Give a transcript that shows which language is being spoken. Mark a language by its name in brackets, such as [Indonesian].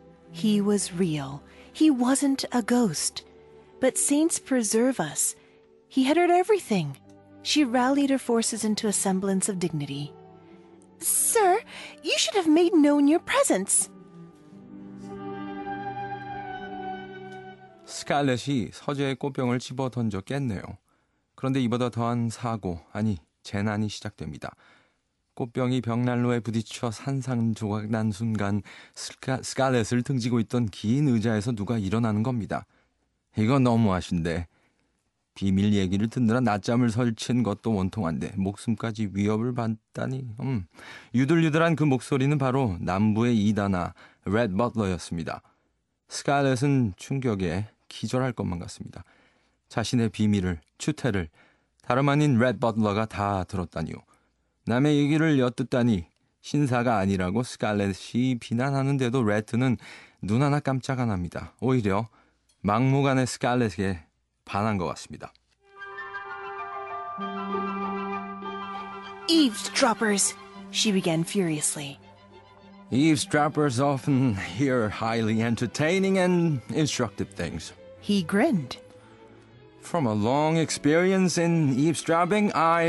[English] He was real. He wasn't a ghost. But saints preserve us. He had heard everything. She rallied her forces into a semblance of dignity. "Sir, you should have made known your presence." [Korean] Scarlett이 서재의 꽃병을 집어던져 깼네요. 그런데 이보다 더한 사고, 아니 재난이 시작됩니다. 꽃병이 벽난로에 부딪혀 산산 조각 난 순간 스칼렛을 등지고 있던 긴 의자에서 누가 일어나는 겁니다. 이건 너무하신데. 비밀 얘기를 듣느라 낮잠을 설친 것도 원통한데 목숨까지 위협을 받다니. 유들유들한 그 목소리는 바로 남부의 이다나 레드 버틀러였습니다. 스칼렛은 충격에 기절할 것만 같습니다. 자신의 비밀을, 추태를 다름 아닌 레드 버틀러가 다 들었다니요. 남의 얘기를 엿듣다니 신사가 아니라고 스칼렛이 비난하는데도 레드는 눈 하나 깜짝 안 합니다. 오히려 막무가내 스칼렛에게 반한 것 같습니다. [English] Eavesdroppers, she began furiously. Eavesdroppers often hear highly entertaining and instructive things. He grinned. From a long experience in eavesdropping, I...